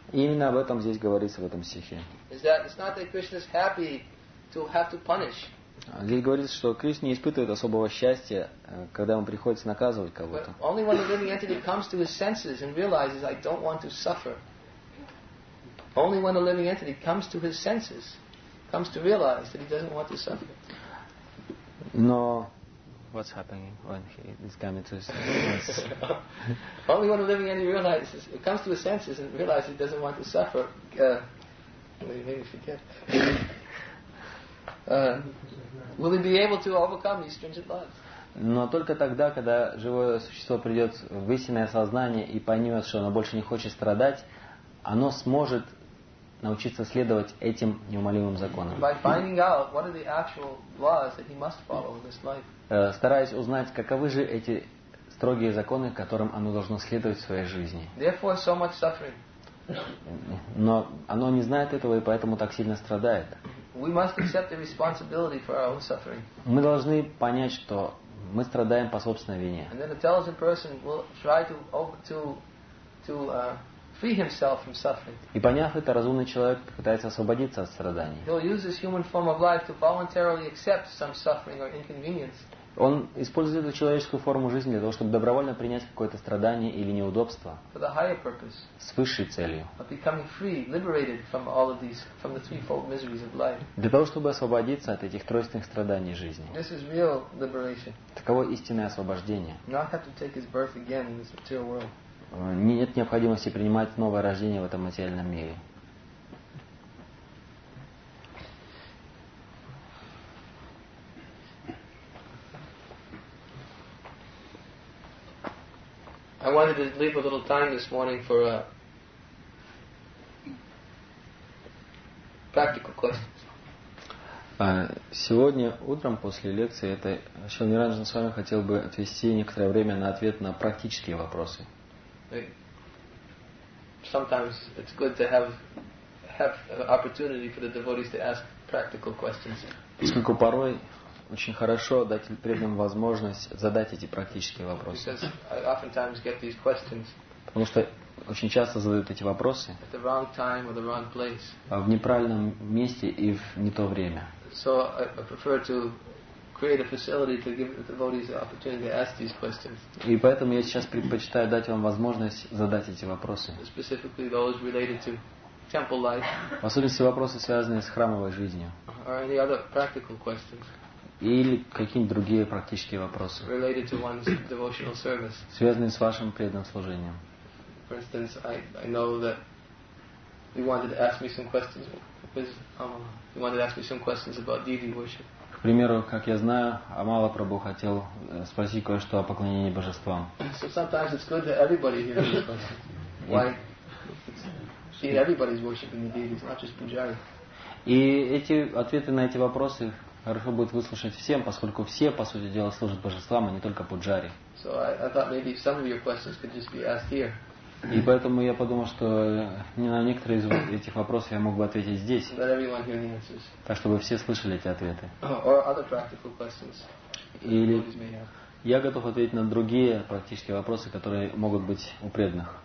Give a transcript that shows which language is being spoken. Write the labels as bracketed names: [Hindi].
[Russian] Именно об этом здесь говорится в этом стихе. [English] Is that it's not that Krishna is happy to have to punish. [Russian] Здесь говорится, что Кришна не испытывает особого счастья, когда ему приходится наказывать кого-то. [English] But only when the living entity comes to his senses and realizes, I don't want to suffer. Only when the living entity comes to his senses, comes to realize that he doesn't want to suffer. [Russian] Но [English] what's happening when he is coming to his senses? Only when a living entity realizes, it comes to his senses and realizes he doesn't want to suffer. You made me forget. Will he be able to overcome these stringent laws? [Russian] Но только тогда, когда живое существо придет в истинное сознание и поймет, что оно больше не хочет страдать, оно сможет научиться следовать этим неумолимым законам. [English] By finding out what are the actual laws that he must follow in this life. [Russian] Стараясь узнать, каковы же эти строгие законы, которым оно должно следовать в своей жизни. [English] Therefore, so much suffering. [Russian] Но оно не знает этого и поэтому так сильно страдает. [English] We must accept the responsibility for our own suffering. [Russian] Мы должны понять, что мы страдаем по собственной вине. [English] And then an intelligent person will try to free himself from suffering. [Russian] И поняв это, разумный человек пытается освободиться от страданий. [English] He'll use this human form of life to voluntarily accept some suffering or inconvenience. [Russian] Он использует эту человеческую форму жизни для того, чтобы добровольно принять какое-то страдание или неудобство [English] for the higher purpose, [Russian] с высшей целью. [English] Of becoming free, liberated from all of these, from the threefold miseries of life. [Russian] Для того, чтобы освободиться от этих тройственных страданий жизни. [English] This is real liberation. [Russian] Таково истинное освобождение. [English] Not have to take his birth again in this material world. [Russian] Нет необходимости принимать новое рождение в этом материальном мире. [English] I wanted to leave a little time this morning for practical questions. [Russian] Сегодня утром после лекции это Шрила Ниранджан с вами хотел бы отвести некоторое время на ответ на практические вопросы. [English] Sometimes it's good to have opportunity for the devotees to ask practical questions. [Russian] Поскольку порой очень хорошо дать преданным возможность задать эти практические вопросы. [English] Because I oftentimes get these questions. [Russian] Потому что очень часто задают эти вопросы [English] at the wrong time or the wrong place. [Russian] В неправильном месте и в не то время. [English] So I prefer to create a facility to give the devotees the opportunity to ask these questions. [Russian] И поэтому я сейчас предпочитаю дать вам возможность задать эти вопросы. [English] Specifically those related to temple life. [Russian] В особенности вопросы, связанные с храмовой жизнью. [English] Or any other practical questions. [Russian] Или какие-нибудь другие практические вопросы, [English] related to one's devotional service. [Russian] Связанные с вашим преданным служением. [English] For instance, I know that you wanted to ask me some questions. You wanted to ask me some questions about deity worship. [Russian] К примеру, как я знаю, Амала Прабху хотел спросить кое-что о поклонении божествам. [English] So sometimes it's good that everybody hears this question. Why? See, everybody's worshiping the deities, not just Pujari. [Russian] И эти ответы на эти вопросы хорошо будет выслушать всем, поскольку все, по сути дела, служат божествам, а не только Пуджари. [English] So I thought maybe some of your questions could just be asked here. [Russian] И поэтому я подумал, что не на некоторые из этих вопросов я мог бы ответить здесь. [English] Let everyone hear the answers. [Russian] Так, чтобы все слышали эти ответы. [English] Or other practical questions. [Russian] Или я готов ответить на другие практические вопросы, которые могут быть у преданных.